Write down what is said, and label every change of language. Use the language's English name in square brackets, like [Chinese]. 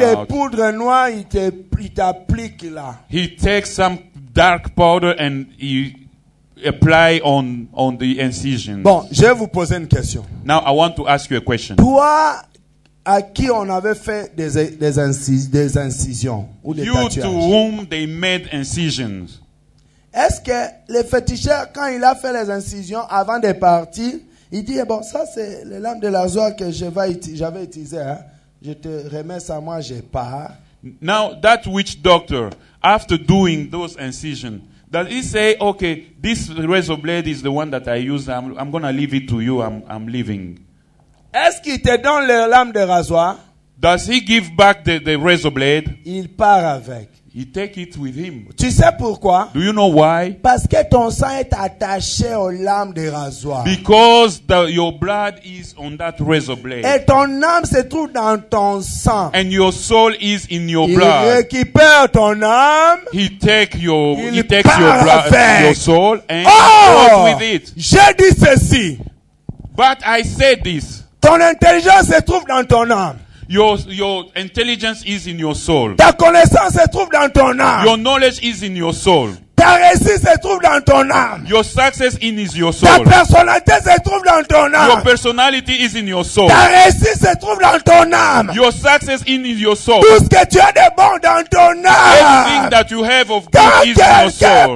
[French] Il prend des poudres noires, il t'applique là. [English] He takes some dark powder and he apply on the incision. [French] Bon, je vais vous poser une question. [English] Now I want to ask you a question. [French] Toi, à qui on avait fait des incisions ou des [English] you [French] tatouages? [English] You to whom they made incisions? [French] Est-ce que le féticheur, quand il a fait les incisions avant de partir, il dit bon, ça c'est les lames de l'azur que j'avais utilisé. Hein? Je te remets ça, moi je pars. [English] Now that witch doctor, after doing those incisions. That he say, okay, this razor blade is the one that I use. I'm going to leave it to you. I'm leaving. [French] Est-ce qu'il te donne les lames de rasoir? [English] Does he give back the razor blade? [French] Il part avec. [English] He take it with him. [French] Tu sais pourquoi? [English] Do you know why? [French] Parce que ton sang est attaché aux lames de rasoir. [English] Because your blood is on that razor blade. [French] Et ton âme se trouve dans ton sang. [English] And your soul is in your [French] il [English] blood. [French] Il récupère ton âme. [English] He takes your blood, [French] avec. [English] Your soul, and oh! goes with it. [French] J'ai dit ceci. [English] But I said this. [French] Ton intelligence se trouve dans ton âme. [English] Your intelligence is in your soul. [French] Ta connaissance se trouve dans ton âme. [English] Your knowledge is in your soul. [French] Ta réussite se trouve dans ton âme. [English] Your success is your soul. [French] Ta personnalité se trouve dans ton âme. [English] Your personality is in your soul. [French] Ta réussite se trouve dans ton âme. [English] Your success is your soul. [French] Tout ce que tu as de bon dans ton âme. [English] Everything that you have of good is in your soul.